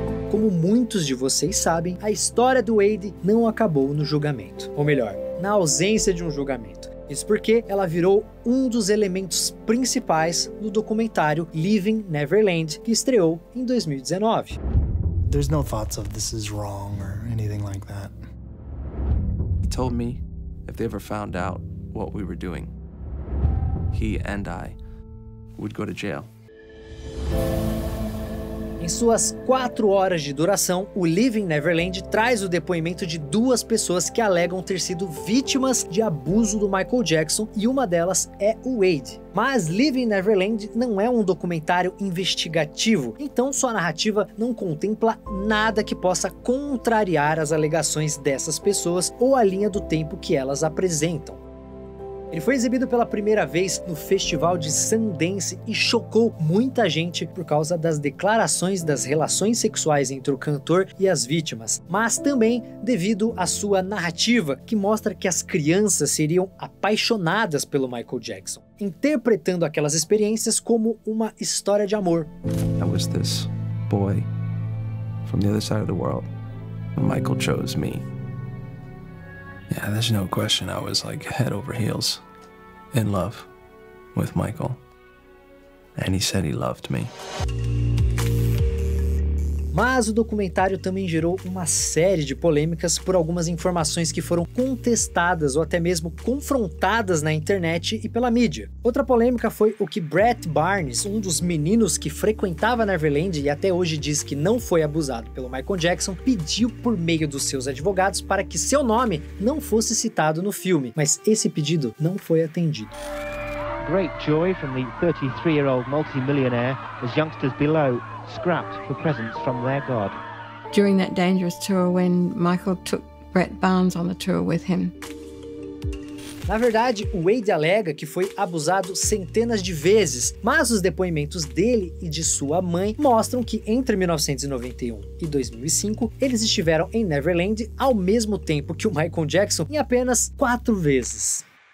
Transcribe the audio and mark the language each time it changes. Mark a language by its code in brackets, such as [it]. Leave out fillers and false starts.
[pt] como muitos de vocês sabem, a história do Wade não acabou no julgamento. Ou melhor, na ausência de um julgamento. Isso porque ela virou um dos elementos principais no documentário Leaving Neverland, que estreou em 2019. [en] There's no thoughts of this is wrong or anything like that. He told me if they ever found out what we were doing, he and I would go to jail. [pt] Em suas 4 horas de duração, o Leaving Neverland traz o depoimento de 2 pessoas que alegam ter sido vítimas de abuso do Michael Jackson, e uma delas é o Wade. Mas Leaving Neverland não é um documentário investigativo, então sua narrativa não contempla nada que possa contrariar as alegações dessas pessoas ou a linha do tempo que elas apresentam. Ele foi exibido pela primeira vez no Festival de Sundance e chocou muita gente por causa das declarações das relações sexuais entre o cantor e as vítimas, mas também devido à sua narrativa, que mostra que as crianças seriam apaixonadas pelo Michael Jackson, interpretando aquelas experiências como uma história de amor. [en] I was this boy from the other side of the world. Michael chose me. Yeah, there's no question I was like head over heels in love with Michael. And he said he loved me. [pt] Mas o documentário também gerou uma série de polêmicas por algumas informações que foram contestadas ou até mesmo confrontadas na internet e pela mídia. Outra polêmica foi o que Brett Barnes, um dos meninos que frequentava Neverland e até hoje diz que não foi abusado pelo Michael Jackson, pediu por meio dos seus advogados para que seu nome não fosse citado no filme, mas esse pedido não foi atendido. [en] Great joy from the 33-year-old multimillionaire as youngsters below scrapped for presents from their god. During that dangerous tour when Michael took Brett Barnes on the tour with him. [pt] Na verdade, o Wade alega que foi abusado centenas de vezes, mas os depoimentos dele e de sua mãe mostram que entre 1991 e 2005, eles estiveram em Neverland ao mesmo tempo que o Michael Jackson em apenas 4 vezes.